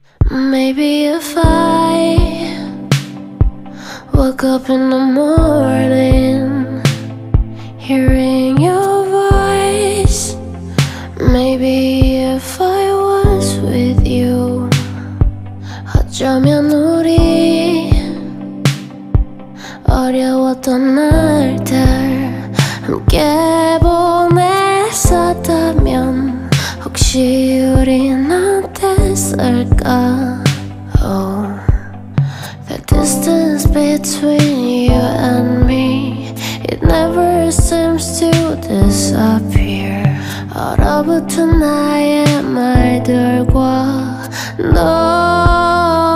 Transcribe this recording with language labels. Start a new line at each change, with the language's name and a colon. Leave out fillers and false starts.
English: Maybe if I woke up in the morning hearing your voice. Maybe if I was with you.
Korean: 어쩌면 우리 어려웠던 날들 함께 보냈었다면 혹시 우린 어땠을까.
English: Oh, the distance between you and me, it never seems to disappear.
Korean: 얼어붙은 나의 말들과 너.